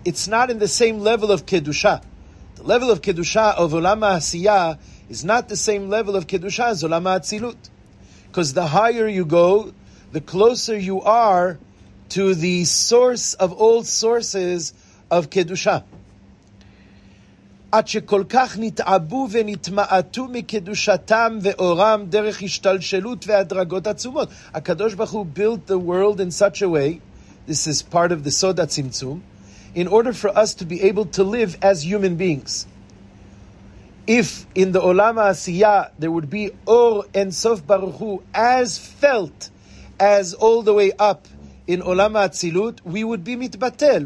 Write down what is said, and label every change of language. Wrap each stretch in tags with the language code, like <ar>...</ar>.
<en>It's not in the same level of Kedusha. The level of Kedusha of Olam Ha'asiya is not the same level of Kedusha as Olam Ha'atzilut. Because the higher you go, the closer you are to the source of all sources of Kedusha.</en> <he>עד שכל כך נתעבו ונתמעטו מקדושתם ואורם דרך השתלשלות והדרגות עצומות.</he> <en>הקדוש ברוך הוא built the world in such a way, this is part of the Sod HaTzimtzum, in order for us to be able to live as human beings. If in the Olam Ha'asiya there would be Or and Sof Baruch Hu as felt as all the way up in Olam Ha'atzilut, we would be mitbatel.</en>